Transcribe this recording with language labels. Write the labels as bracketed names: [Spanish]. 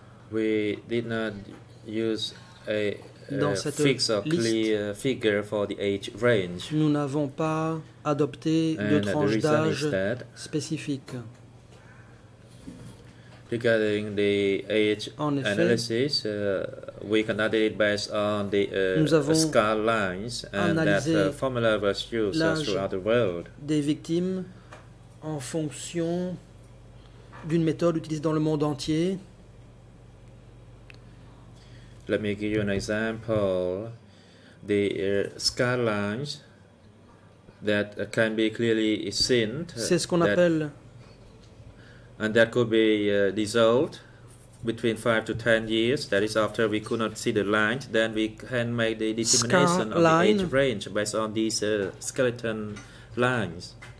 [English] We did not use a fixed or clear figure for the age range. [French] Nous n'avons pas adopté de tranche d'âge spécifique. [English] Regarding the age analysis, we conducted it based on the scar lines, and that formula was used throughout the world. [French] Des victimes en fonction d'une méthode utilisée dans le monde entier. [English] Let me give you an example. The scar lines that can be clearly seen. [French] C'est ce qu'on appelle. [English] And that could be dissolved between 5 to 10 years. That is after we could not see the lines. Then we can make the determination of the age range based on these skeleton lines.